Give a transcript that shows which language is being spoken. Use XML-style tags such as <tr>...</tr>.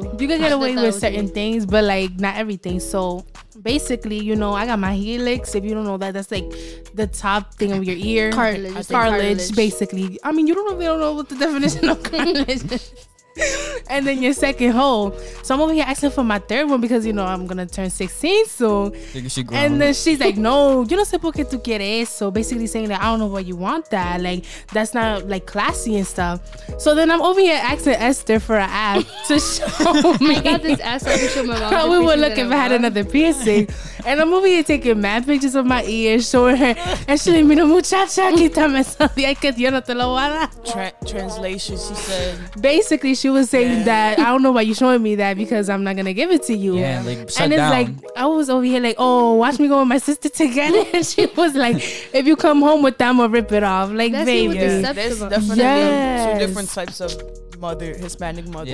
<en>You could get away with certain things, but like not everything. So basically, you know, I got my helix. If you don't know that, that's like the top thing of your ear. Cartilage. Basically. I mean, you don't really know what the definition of cartilage is. And then your second hole. So I'm over here asking for my third one because, you know, I'm going to turn 16 soon. And then she's like,</en> <es>no, yo no sé por qué tú quieres eso.</es> <en>Basically saying that I don't know why you want that. Like, that's not like classy and stuff. So then I'm over here asking Esther for an app to show me. I got this ass to show my mom. How we would look if I had another piercing. And I'm over here taking mad pictures of my ears, showing her. And she's like,</en> <es>mira muchacha, quítame esa vieja que yo no te lo voy a dar.</es> <en>Translation, she said. Basically, she was saying that I don't know why you're showing me that because I'm not gonna give it to you. Yeah, like shut down. And it's like I was over here like, oh, watch me go with my sister to get it. And she was like, if you come home with that, I'm gonna rip it off. Like, that's baby. Yeah. There's definitely two different types of Hispanic mothers.</en>